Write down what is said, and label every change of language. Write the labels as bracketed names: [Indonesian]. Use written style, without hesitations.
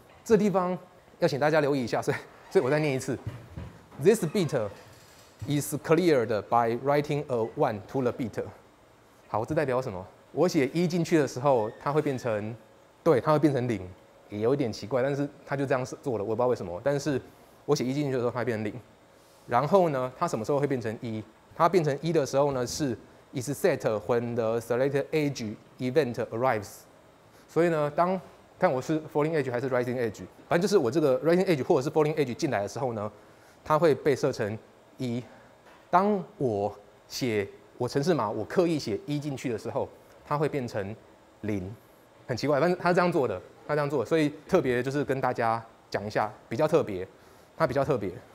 [Chinese] 这地方要请大家留意一下，所以我再念一次， [English] this bit is cleared by writing a 1 to the bit。 [Chinese] 好，这代表什么？我写一进去的时候，它会变成，对，它会变成零，也有一点奇怪，但是它就这样做了，我不知道为什么。但是我写一进去的时候，它会变成零。然后呢，它什么时候会变成一？它变成一的时候呢，是 [English] is set when the selected edge event arrives。 [Chinese] 所以呢，当看我是 falling edge 还是 rising edge， 反正就是我这个 rising edge 或者是 falling edge 进来的时候呢，它会被设成一。当我写我程式码，我刻意写一进去的时候，它会变成零，很奇怪，但是它是这样做的，它这样做的，所以特别就是跟大家讲一下，比较特别，它比较特别。